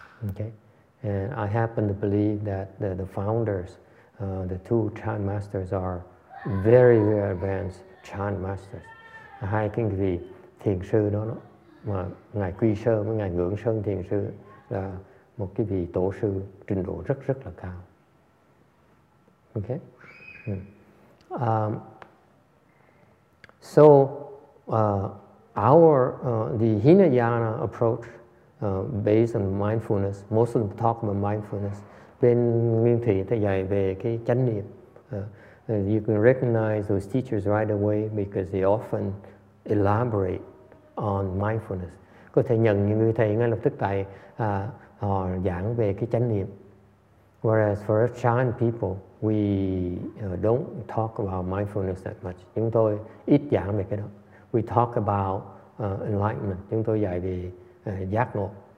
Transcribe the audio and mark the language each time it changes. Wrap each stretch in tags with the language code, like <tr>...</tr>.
<en>Okay, and I happen to believe that the founders, the two Chan masters are very very advanced Chan masters.</en> <vi>Hai cái vị thiền sư đó mà ngài Quy Sơn với ngài Ngưỡng Sơn thiền sư là một cái vị tổ sư trình độ rất rất là cao.</vi> <en>Okay. So the Hinayana approach based on mindfulness, most of them talk about mindfulness.</en> <vi>Bên Nguyên Thủy thì dạy về cái chánh niệm.</vi> <en>You can recognize those teachers right away because they often elaborate on mindfulness.</en> <vi>Có thể nhận những người thầy ngay lập tức tại họ giảng về cái chánh niệm.</vi> <en>Whereas for us Chan people, we don't talk about mindfulness that much.</en> <vi>Chúng tôi ít giảng về cái đó.</vi> <en>We talk about enlightenment.</en> <vi>Chúng tôi dạy về giác ngộ.</vi>